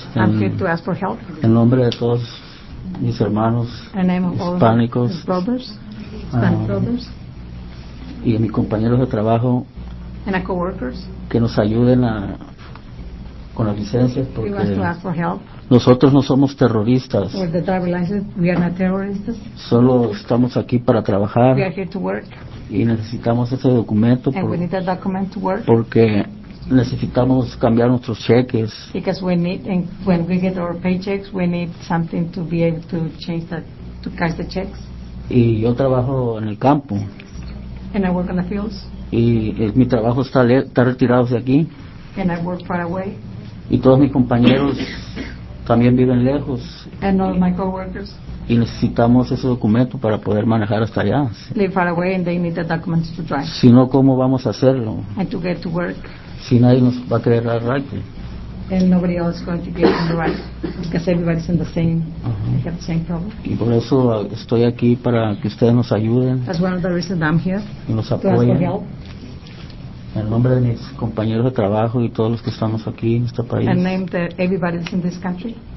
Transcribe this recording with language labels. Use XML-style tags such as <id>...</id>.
<en>I'm here to ask for help.</en> <es>En nombre de todos mis hermanos hispánicos.</es> <en>Brothers, brothers.</en> <es>Y a mis compañeros de trabajo.</es> <en>And a co-workers.</en> <es>Que nos ayuden a con las licencias porque</es> <en>he wants to ask for help.</en> <es>Nosotros no somos terroristas.</es> <en>With the driver's license, we are not terrorists.</en> <es>Solo estamos aquí para trabajar.</es> <en>We are here to work.</en> <es>Y necesitamos ese documento</es> <en>we need that document to work.</en> <es>Porque necesitamos cambiar nuestros cheques.</es> <en>Because we need, and when we get our paychecks, we need something to be able to change that, to cash the checks.</en> <es>Y yo trabajo en el campo.</es> <en>And I work on the fields.</en> <es>Y mi trabajo está retirado de aquí.</es> <en>And I work far away.</en> <es>Y todos mis compañeros también viven lejos.</es> <en>And all my coworkers.</en> <es>Y necesitamos ese documento para poder manejar hasta allá.</es> <en>Live far away and they need the documents to drive.</en> <es>Si no, ¿cómo vamos a hacerlo?</es> <en>And to get to work.</en> <es>Si nadie nos va a creer la right.</es> <en>And nobody else is going to give them the right. Because everybody's in the same. Uh-huh. They have the same problem.</en> <es>Y por eso estoy aquí para que ustedes nos ayuden.</es> <en>That's one of the reasons I'm here.</en> <es>Y nos apoyen. En nombre de mis compañeros de trabajo y todos los que estamos aquí en este país.</es> <en>And name that everybody is in this country.</en>